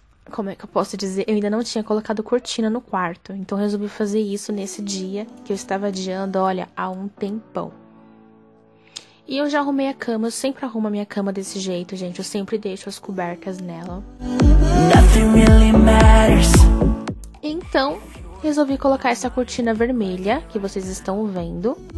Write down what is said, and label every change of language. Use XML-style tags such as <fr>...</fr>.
<pt>Como é que eu posso dizer? Eu ainda não tinha colocado cortina no quarto. Então, resolvi fazer isso nesse dia que eu estava adiando, olha, há um tempão. E eu já arrumei a cama. Eu sempre arrumo a minha cama desse jeito, gente. Eu sempre deixo as cobertas nela.</pt> <en>Nothing really matters.</en> <pt>Então, resolvi colocar essa cortina vermelha que vocês estão vendo.</pt>